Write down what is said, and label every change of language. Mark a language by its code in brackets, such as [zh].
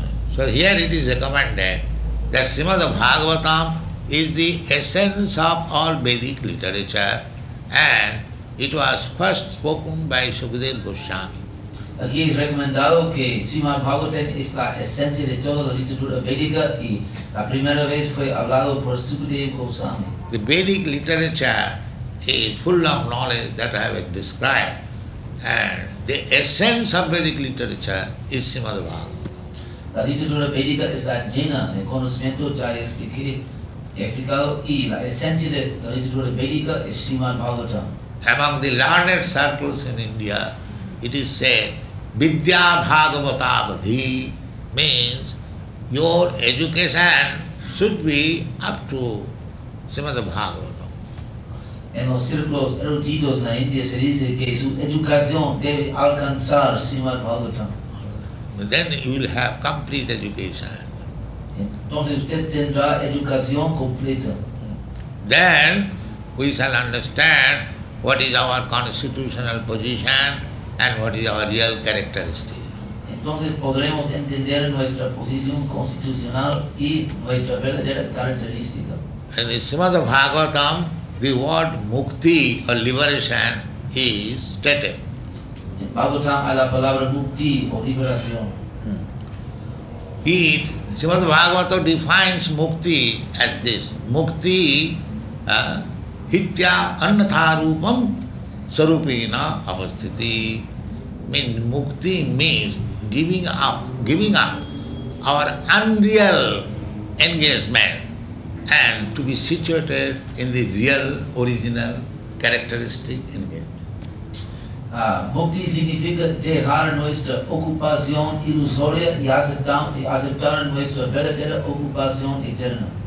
[en] So here it is recommended that Srimad Bhagavatam is the essence of all Vedic literature and it was first spoken by Sukadeva Goswami. [es] Aquí es recomendado que Srimad Bhagavatam es la esencia de toda la literatura védica y la primera vez fue hablado por Sukadeva Goswami. [en] The Vedic literature is full of knowledge that I have described. And the essence of Vedic literature is Srimad Bhagavatam. [es] La literatura védica es la llena de conocimiento ya explicado y la esencia de la literatura védica es Srimad Bhagavatam. [en] Among the learned circles in India, it is said, [sa] Vidya Bhagavata Abadhi [en] means your education should be up to Srimad Bhagavatam. [es] En los círculos eruditos en la India se dice que su educación debe alcanzar Srimad Bhagavatam. [en] Then you will have complete education. [es] Entonces usted tendrá educación completa. [en] Then we shall understand what is our constitutional position and what is our real characteristic. [es] Entonces podremos entender nuestra posición constitucional y nuestra verdadera característica. [en] And in Srimad Bhagavatam, the word mukti or liberation is stated. [es] In Bhagavatam, la palabra mukti or liberación. [en] Srimad Bhagavatam defines mukti as this. Mukti [sa] hitya annatharupam sarupena avasthiti. [en] Means mukti means giving up our unreal engagement and to be situated in the real original characteristic engagement. [es] Mukti significa dejar nuestra ocupación ilusoria y aceptar nuestra verdadera ocupación eterna.